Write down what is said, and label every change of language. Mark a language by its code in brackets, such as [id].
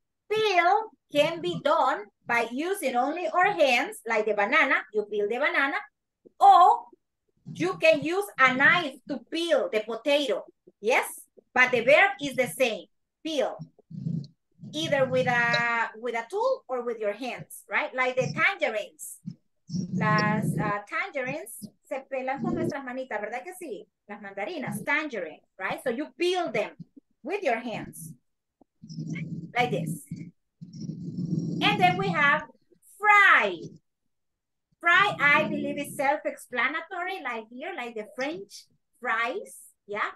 [en] Peel can be done by using only our hands, like the banana, you peel the banana, or you can use a knife to peel the potato. Yes? But the verb is the same, peel. Either with a tool or with your hands, right? Like the tangerines. [es] Las tangerines se pelan con nuestras manitas, ¿verdad que sí? Las mandarinas, tangerine, right? [en] So you peel them with your hands, like this. And then we have fry. Fry, I believe, is self-explanatory, like here, like the French fries, yeah?